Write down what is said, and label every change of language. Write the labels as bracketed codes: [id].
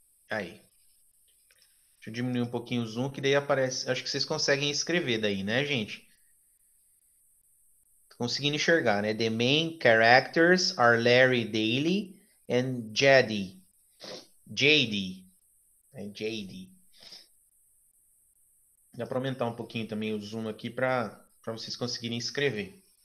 [pt] Aí. Deixa eu diminuir um pouquinho o zoom, que daí aparece. Acho que vocês conseguem escrever daí, né, gente? Tô conseguindo enxergar, né? [en] The main characters are Larry Daly and Jady. [pt] Jady. É Jady. Dá para aumentar um pouquinho também o zoom aqui para vocês conseguirem escrever.